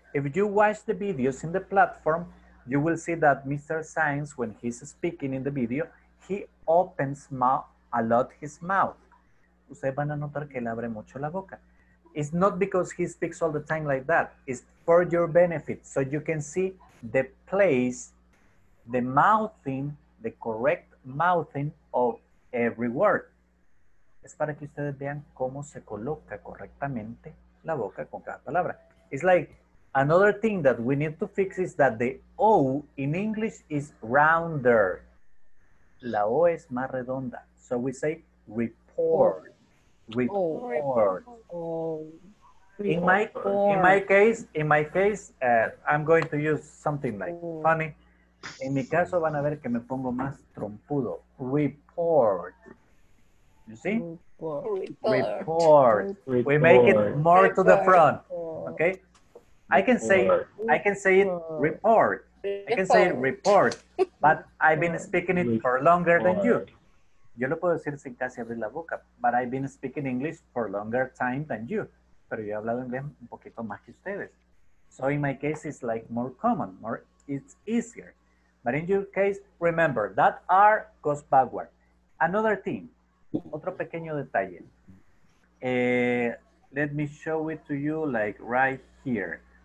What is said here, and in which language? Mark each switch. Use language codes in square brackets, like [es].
[en] If you watch the videos in the platform, you will see that Mr. Sainz, when he's speaking in the video, he opens a lot his mouth. [es] Ustedes van a notar que él abre mucho la boca. [en] It's not because he speaks all the time like that. It's for your benefit. So you can see the place, the mouthing, the correct mouthing of every word. [es] Es para que ustedes vean cómo se coloca correctamente la boca con cada palabra. [en] It's like another thing that we need to fix is that the O in English is rounder. [es] La O es más redonda. [en] So we say report. Report. In my case, I'm going to use something like funny. [es] En mi caso van a ver que me pongo más trompudo. [en] Report. You see? Report. We make it more to the front. Okay? I can say it report. I can say it report. But I've been speaking it for longer than you. [es] Yo lo puedo decir sin casi abrir la boca. [en] But I've been speaking English for longer time than you. [es] Pero yo he hablado inglés un poquito más que ustedes. [en] So in my case, it's like more common. It's easier. But in your case, remember, that R goes backward. Another thing, [es] otro pequeño detalle. [en] Let me show it to you, like, right here.